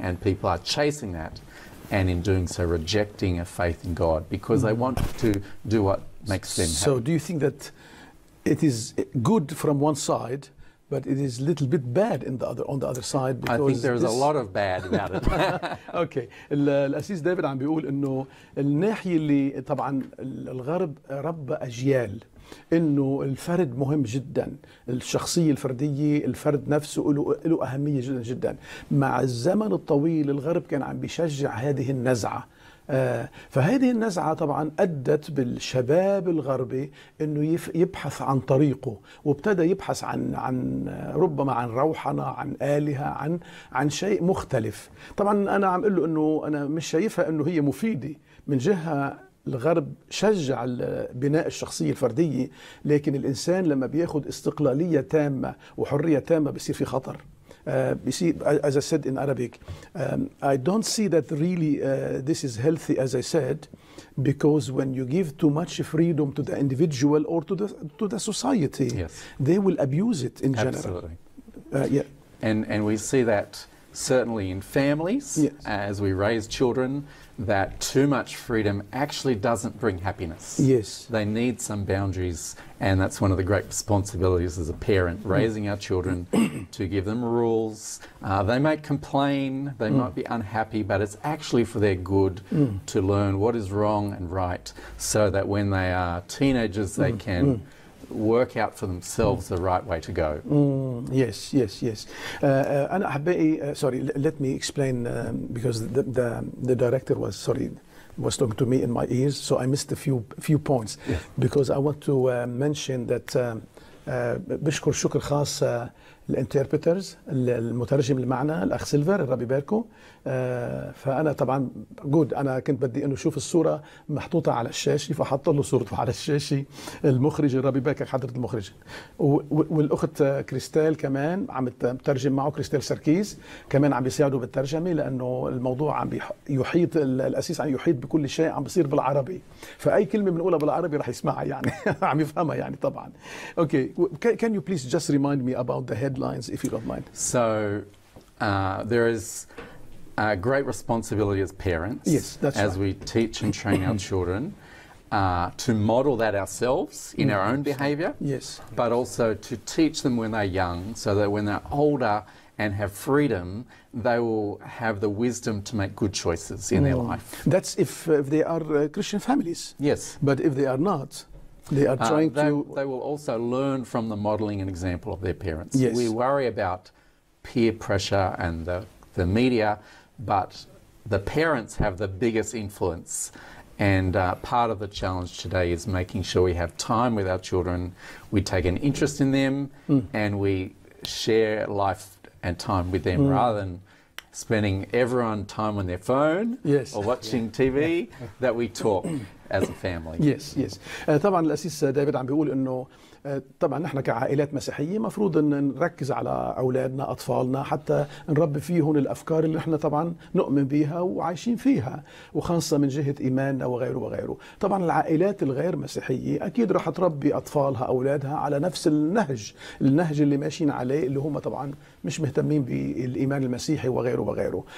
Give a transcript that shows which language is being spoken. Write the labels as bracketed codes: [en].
[en] And people are chasing that, and in doing so rejecting a faith in God because they want to do what makes them happy. So do you think that it is good from one side, but it is a little bit bad in the other, on the other side? I think there is a lot of bad about it. Okay. [ar] الأسيس ديفيد عم بيقول إنه الناحية اللي طبعاً الغرب رب أجيال إنه الفرد مهم جداً، الشخصية الفردية، الفرد نفسه له أهمية جداً جداً. مع الزمن الطويل الغرب كان عم بيشجع هذه النزعة. فهذه النزعة طبعاً أدت بالشباب الغربي إنه يبحث عن طريقه، وابتدى يبحث عن ربما عن روحنا، عن آلهة، عن شيء مختلف. طبعاً أنا عم أقول له إنه أنا مش شايفها إنه هي مفيدة. من جهة الغرب شجع بناء الشخصية الفردية، لكن الإنسان لما بياخد استقلالية تامة وحرية تامة بيصير في خطر. [en] You see, as I said in Arabic, I don't see that really this is healthy, as I said, because when you give too much freedom to the individual or to the society, they will abuse it in Absolutely. General. And we see that certainly in families, as we raise children, that too much freedom actually doesn't bring happiness. Yes. They need some boundaries, and that's one of the great responsibilities as a parent, raising our children, to give them rules. They might complain, they might be unhappy, but it's actually for their good to learn what is wrong and right, so that when they are teenagers, they can work out for themselves the right way to go. Yes. [ar] أنا أحبائي, [en] sorry, let me explain, because the director was, sorry, was talking to me in my ears, so I missed a few points. Yes. Because I want to mention that [ar] بشكر شكر خاص الانتربترز, المترجم المعنى, الأخ سيلفر, الربي باركو. فأنا طبعاً جود, أنا كنت بدي أنه شوف الصورة محطوطة على الشاشة, فحط له صورته على الشاشة, المخرج الربي باركو, حضرة المخرج, والأخت كريستال كمان عم تترجم معه, كريستال سركيز كمان عم بيساعده بالترجمة, لأنه الموضوع عم يحيط, الأساس عم يحيط بكل شيء عم بيصير بالعربي, فأي كلمة بنقولها بالعربي رح يسمعها يعني عم يفهمها يعني طبعاً. [en] Okay, can you please just remind me about the headlines, if you don't mind? So there is a great responsibility as parents, yes, that's as right. we teach and train our children, to model that ourselves in our own behavior, yes, but also to teach them when they're young, so that when they're older and have freedom, they will have the wisdom to make good choices in their life. That's if they are Christian families. Yes. But if they are not, they are trying they will also learn from the modeling and example of their parents. Yes. We worry about peer pressure and the media, but the parents have the biggest influence. And part of the challenge today is making sure we have time with our children, we take an interest in them, and we share life and time with them rather than spending everyone time on their phone yes. or watching TV, that we talk. as a family. Yes, yes. [ar] طبعا الأسيس دافيد عم بيقول إنه طبعا نحن كعائلات مسيحية مفروض أن نركز على أولادنا أطفالنا حتى نربي فيهم الأفكار اللي نحن طبعا نؤمن بها وعايشين فيها وخاصة من جهة إيماننا وغيره وغيره. طبعا العائلات الغير مسيحية أكيد راح تربي أطفالها أولادها على نفس النهج اللي ماشيين عليه اللي هم طبعا مش مهتمين بالإيمان المسيحي وغيره وغيره.